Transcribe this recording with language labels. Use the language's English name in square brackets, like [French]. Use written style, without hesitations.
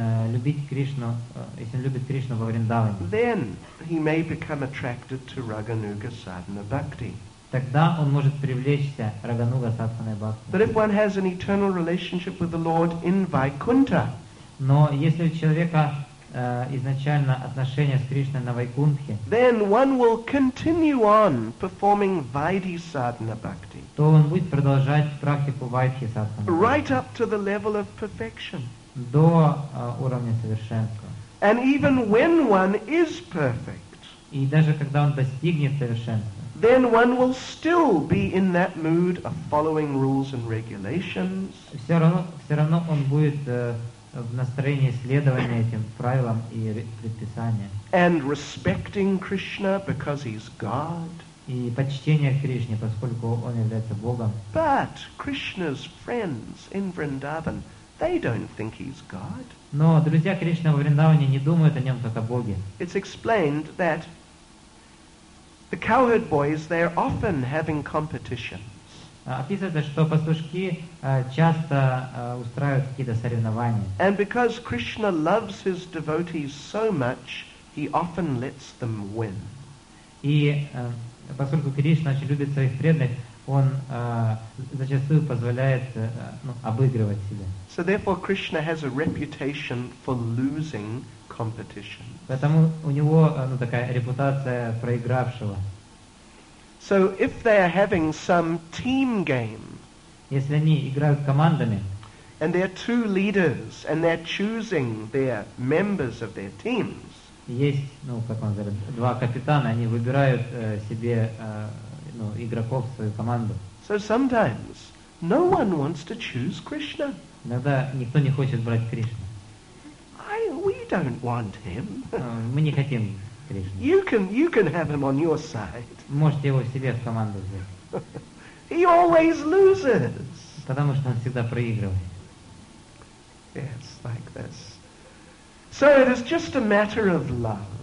[Russian] Любить Кришну, если он любит Кришну во Вриндаване. [English] Then he may become attracted to Raganuga Sadhana Bhakti. [Russian] Тогда он может привлечься Рагануга Садханой Бхакти. [English] But if one has an eternal relationship with the Lord in Vaikuntha. [Russian] Но если у человека изначально отношения с Кришной на Вайкунтхе, [English] then one will continue on performing Vaidhi Sadhana Bhakti. [Russian] То он будет продолжать практику Вайдхи Садханы. [English] Right up to the level of perfection. [Russian] До уровня совершенства. [English] And even when one is perfect, [Russian] и даже когда он достигнет совершенства, [English] then one will still be in that mood of following rules and regulations. [Russian] Все равно он будет в настроении следования этим правилам и предписаниям. [English] And respecting Krishna because he's God. [Russian] И почтение Кришне, поскольку он является Богом. [English] But Krishna's friends in Vrindavan, they don't think he's God. [Russian] Но друзья Кришны во Вриндаване не думают о нем как о Боге. [English] It's explained that the cowherd boys, they are often having competitions. [Russian] Описывается, что пастушки часто устраивают какие-то соревнования. [English] And because Krishna loves his devotees so much, he often lets them win. [Russian] И поскольку Кришна очень любит своих преданных, он зачастую позволяет обыгрывать себя. [English] So therefore Krishna has a reputation for losing competition. [Russian] Поэтому у него такая репутация проигравшего. [English] So if they are having some team game, [Russian] если они играют командами, [English] and they are two leaders and they're choosing their members of their teams. [Russian] Есть, как он говорит, два капитана, они выбирают себе игроков в свою команду. [English] So sometimes no one wants to choose Krishna. [Russian] Иногда никто не хочет брать Кришну. [English] We don't want him. [Russian] Мы не хотим Кришне. [English] You can have him on your side. [Russian] Можете его себе в команду взять. [English] He always loses. [Russian] Потому что он всегда проигрывает. [English] Yes, like this. So it is just a matter of love.